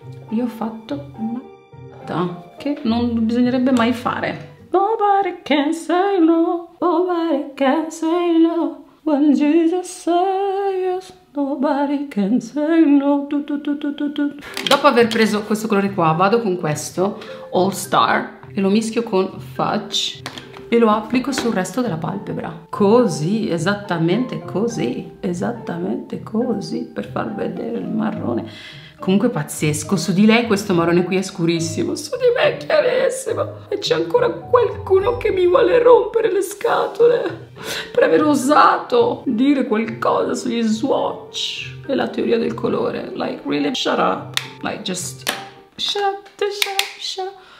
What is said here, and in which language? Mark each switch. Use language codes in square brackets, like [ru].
[it] Io ho fatto una botta che non bisognerebbe mai fare. [en] Nobody can say no, nobody can say no. When Jesus say yes, nobody can say no. [it] Dopo aver preso questo colore qua, vado con questo All Star e lo mischio con Fudge e lo applico sul resto della palpebra. Così, esattamente così. Esattamente così, per far vedere il marrone. Comunque pazzesco, su di lei questo marrone qui è scurissimo, su di me è chiarissimo. E c'è ancora qualcuno che mi vuole rompere le scatole per aver osato dire qualcosa sugli swatch e la teoria del colore. [en] Like, really, shut up. Like, just shut up, shut up, shut up.